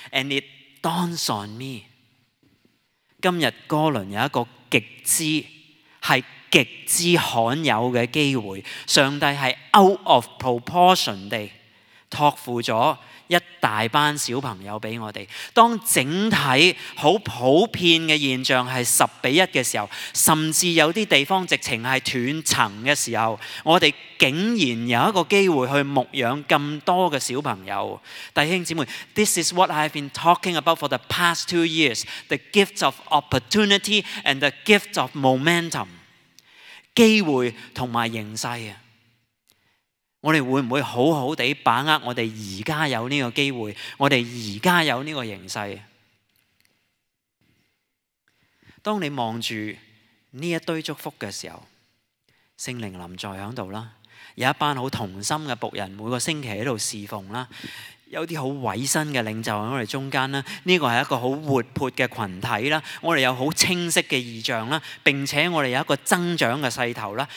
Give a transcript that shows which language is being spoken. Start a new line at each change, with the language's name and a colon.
English: And it dawns on me，
Cantonese: 今日哥倫有一個極之是極之罕有的機會，上帝是
English: out of proportion
Cantonese: 地托付了一大班小朋友給我們。當整體很普遍的現象是10:1的時候，甚至有些地方直情是斷層的時候，我們竟然有一個機會去牧養這麼多的小朋友。弟兄姊妹，
English: This is what I've been talking about for the past 2 years, the gift of opportunity and the gift of momentum，
Cantonese: 機會同埋形勢。我哋會唔會好好地把握我哋而家有呢個機會，我哋而家有呢個形勢？當你望住呢一堆祝福嘅時候，聖靈臨在喺度啦，有一班好同心嘅仆人每個星期喺度侍奉啦，有些很委身的領袖在我們中間，這個是一個很活潑的群體，我們有很清晰的意象，並且我們有一個增長的勢頭。